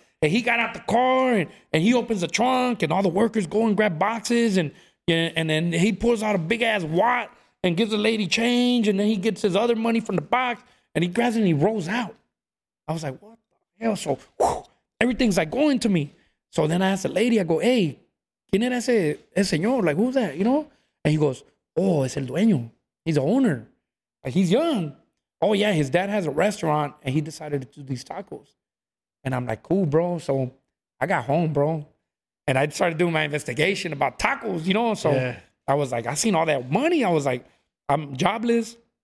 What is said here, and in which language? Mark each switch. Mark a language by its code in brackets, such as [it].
[en] And he got out the car, and he opens the trunk, and all the workers go and grab boxes. And then he pulls out a big-ass wad and gives the lady change. And then he gets his other money from the box, and he grabs it, and he rolls out. I was like, what the hell? So everything's, like, going to me. So then I asked the lady, I go, hey, [es] ¿quién era ese, ese señor? [en] Like, who's that, you know? And he goes, oh, [es] es el dueño. [en] He's the owner. Like, he's young. Oh, yeah, his dad has a restaurant, and he decided to do these tacos. And I'm like, cool, bro. So I got home, bro. And I started doing my investigation about tacos, you know? So yeah. I was like, I seen all that money. I was like, I'm jobless.